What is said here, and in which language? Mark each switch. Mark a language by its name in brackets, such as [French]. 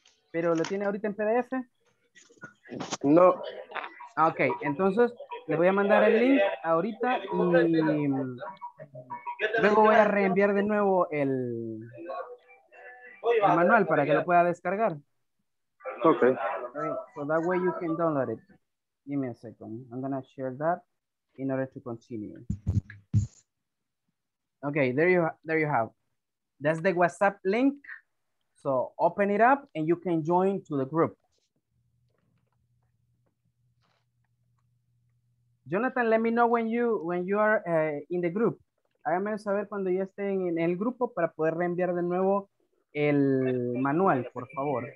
[Spanish] ¿Pero lo tiene ahorita en PDF? No. Ok, entonces le voy a mandar el link ahorita y luego voy a reenviar de nuevo el manual para que lo pueda descargar. [English] Okay. So that way you can download it. Give me a second. I'm gonna share that in order to continue. Okay, there you have. That's the WhatsApp link. So open it up and you can join to the group. Jonathan, let me know when you are in the group. [Spanish] Háganme saber cuando ya estén en el grupo para poder reenviar de nuevo el manual, por favor.